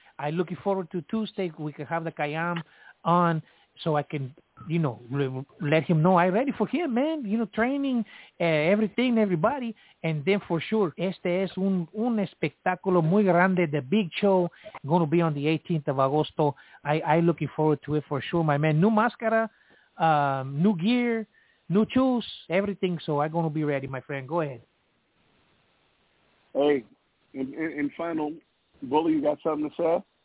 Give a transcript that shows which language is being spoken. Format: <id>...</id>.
<en>I'm looking forward to Tuesday. We can have the Kayam on so I can, you know, let him know I'm ready for him, man. You know, training, everything, everybody. And then for sure,</en> <es>este es un espectáculo muy grande,</es> <en>the big show. Going to be on the 18th of Agosto. I looking forward to it for sure, my man. New máscara. New gear, new shoes, everything. So I'm going to be ready, my friend. Go ahead. Hey, and final, Bully, you got something to say?</en>